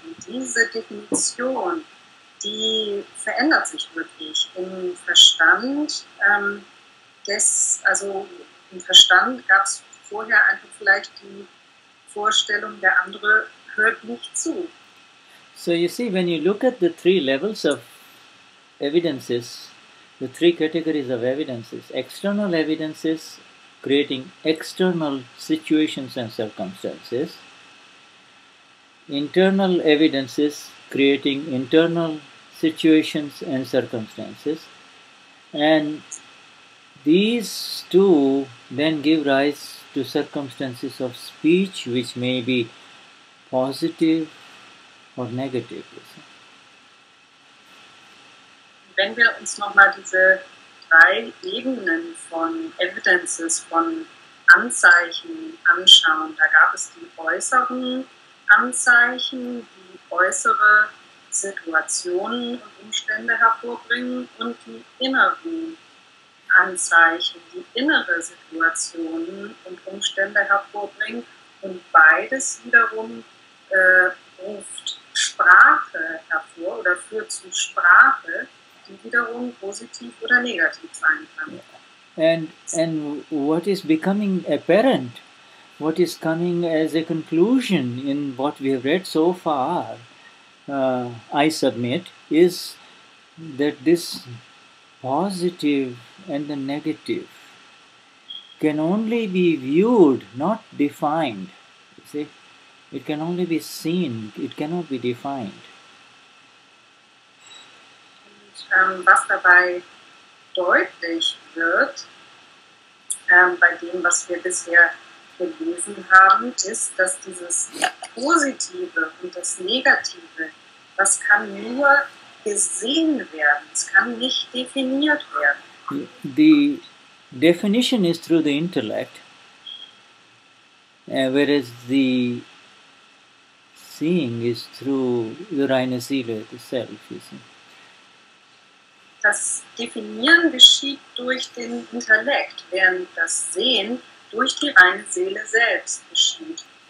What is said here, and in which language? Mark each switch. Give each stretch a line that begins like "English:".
German: Und diese Definition, die verändert sich wirklich im Verstand. Im Verstand gab es vorher einfach vielleicht die Vorstellung, der andere hört nicht zu.
English: So you see, when you look at the three levels of evidences, the three categories of evidences, external evidences creating external situations and circumstances, internal evidences creating internal situations and circumstances. And these two then give rise to circumstances of speech which may be positive or negative.
German: Wenn wir uns nochmal diese drei Ebenen von Evidences, von Anzeichen anschauen, da gab es die äußeren Anzeichen, die äußere Situationen und Umstände hervorbringen und die inneren Anzeichen, die innere Situationen und Umstände hervorbringen und beides wiederum ruft Sprache hervor oder führt zu Sprache, die wiederum positiv oder negativ sein kann.
English: And what is becoming apparent, what is coming as a conclusion in what we have read so far, I submit, is that this positive and the negative can only be viewed, not defined. You see, it can only be seen, it cannot be defined.
German: Was dabei deutlich wird, bei dem, was wir bisher gelesen haben, ist, dass dieses Positive und das Negative, das kann nur gesehen werden, es kann nicht definiert werden.
English: The definition is through the intellect, whereas the seeing is through the
German: reine Seele,
English: the self, you see.
German: Das Definieren geschieht durch den Intellekt, während das Sehen durch die reine Seele selbst geschieht.